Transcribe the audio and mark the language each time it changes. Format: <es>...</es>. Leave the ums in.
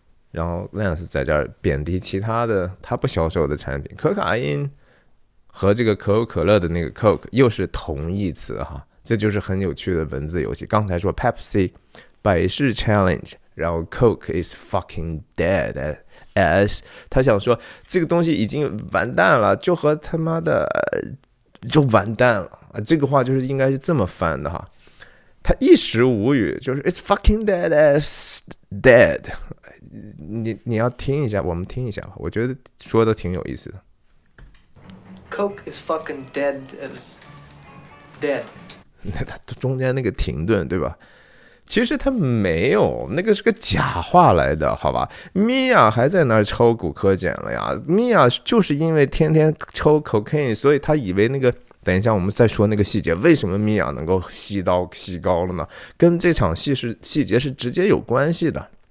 <zh>然后 Lens 在这儿贬低其他的他不销售的产品，可卡因和这个可口可乐的那个 Coke 又是同义词哈，这就是很有趣的文字游戏。刚才说 Pepsi 百事 Challenge，然后</zh> <en>Coke is fucking dead as</en> <zh>他想说这个东西已经完蛋了，就和他妈的就完蛋了啊！这个话就是应该是这么翻的哈。他一时无语，就是</zh> <en>It's fucking dead as dead。</en> <zh>你你要听一下，我们听一下吧。我觉得说的挺有意思的。</zh> <en>Coke is fucking dead as dead。</en> <zh>那他中间那个停顿，对吧？其实他没有，那个是个假话来的，好吧米娅还在那儿抽骨科碱了呀。米娅就是因为天天抽 cocaine，所以他以为那个……等一下，我们再说那个细节。为什么米娅能够吸到吸高了呢？跟这场戏是细节是直接有关系的。</zh>